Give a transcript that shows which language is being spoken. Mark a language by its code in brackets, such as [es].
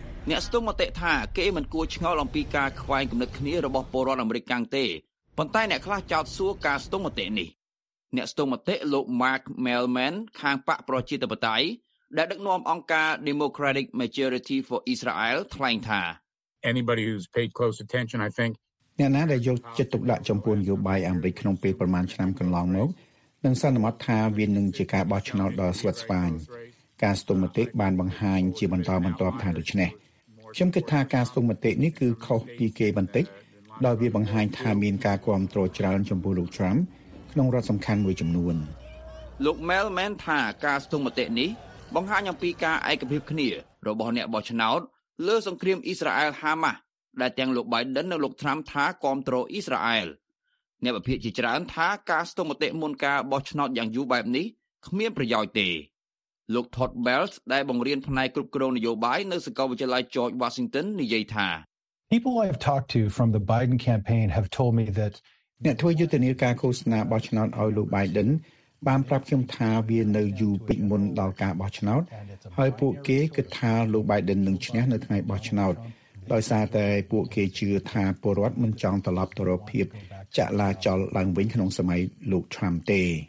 [km] អ្នកស្ទង់មតិថាគេមិនគួរឆ្ងល់អំពីការខ្វែងគំនិតគ្នារបស់ពលរដ្ឋអាមេរិកកាំងទេប៉ុន្តែអ្នកខ្លះចោទសួរការស្ទង់មតិនេះអ្នកស្ទង់មតិលោក Mark Melman ខាងបកប្រជាធិបតេយ្យដែលដឹកនាំអង្គការ Democratic Majority for Israel ថ្លែងថា [en] Anybody who's paid close attention I think [km] អ្នកណាដែលយកចិត្តទុកដាក់ចំពោះនយោបាយអាមេរិកក្នុងពេលប្រមាណឆ្នាំកន្លងមកនឹងសន្និដ្ឋានថាវានឹងជាការបោះឆ្នោតដ៏ស្វិតស្វាញការស្ទង់មតិបានបង្ហាញជាបន្តបន្ទាប់ថាដូច្នេះខ្ញុំគិតថាការស្ទង់មតិនេះគឺខុសពីគេបន្តិចដោយវាបង្ហាញថាមានការគ្រប់គ្រងច្រើនចំពោះលោក Trump ក្នុងរដ្ឋសំខាន់មួយចំនួន លោក Melman ថាការស្ទង់មតិនេះបង្ហាញអំពីការឯកភាពគ្នារបស់អ្នកបោះឆ្នោតលើសង្គ្រាមអ៊ីស្រាអែល Hamas ដែលទាំងលោក Biden និងលោក Trump ថាគ្រប់គ្រងអ៊ីស្រាអែលអ្នកវិភាគជាច្រើនថាការស្ទង់មតិមុនការបោះឆ្នោតយ៉ាងយូរបែបនេះគ្មានប្រយោជន៍ទេលោក Todd Bells ដែលបង្រៀនផ្នែកគ្រប់គ្រងនយោបាយនៅសាកលវិទ្យាល័យ George Washington និយាយថា [en] People I've talked to from the Biden campaign have told me that [km] អ្នកធ្វើយុទ្ធនាការឃោសនាបោះឆ្នោតឲ្យលោក Biden បានប្រាប់ខ្ញុំថាវានៅយូរពីមុនដល់ការបោះឆ្នោតហើយពួកគេគិតថាលោក Biden នឹងឈ្នះនៅថ្ងៃបោះឆ្នោតដោយសារតែពួកគេជឿថាពលរដ្ឋមិនចង់ត្រឡប់ទៅរកភាពចលាចលឡើងវិញក្នុងសម័យលោក Trump ទេ